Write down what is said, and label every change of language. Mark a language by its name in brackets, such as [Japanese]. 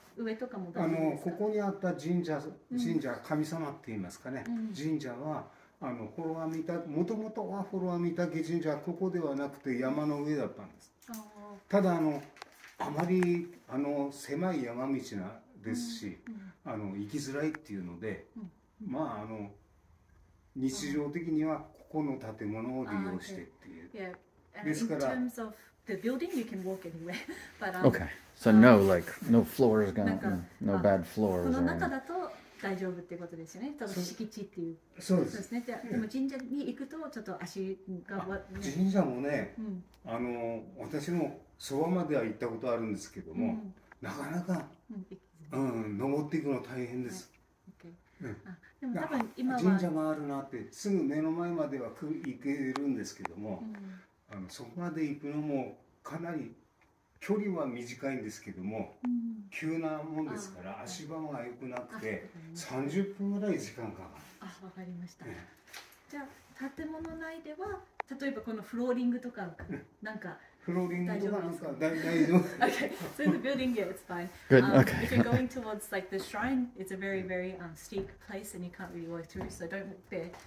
[Japanese] あのここにあった神社、神様って言いますかね、神社はあのフォロアミタ、もともとはフォロアミタケ神社はここではなくて山の上だったんです。ただあまり狭い山道なですし、あの行きづらいっていうので、まああの日常的にはここの建物を利用してっていう、 [English] ですから in terms of the building you can walk anywhere but okaySo no, like, no floor is going to, no bad floor is going to. [Japanese] この中だと大丈夫ってことですよね。多分敷地っていう。そうですね。でも神社に行くとちょっと足が、神社もね、あの私もそばまでは行ったことあるんですけども、なかなか、登っていくの大変です。でも多分今は神社があるなってすぐ目の前までは行けるんですけども、あのそこまで行くのもかなり。距離は短いんですけども、急なもんですから足場が良くなくて、30分ぐらい時間かかる。あ、わかりました。じゃあ建物内では、例えばこのフローリングとかなんか、フローリングとかなんか大丈夫。 [English] Okay, so in the building, yeah, it's fine. Good. Okay. If you're going towards like the shrine, it's a very, very steep place and you can't really walk through, so don't walk there.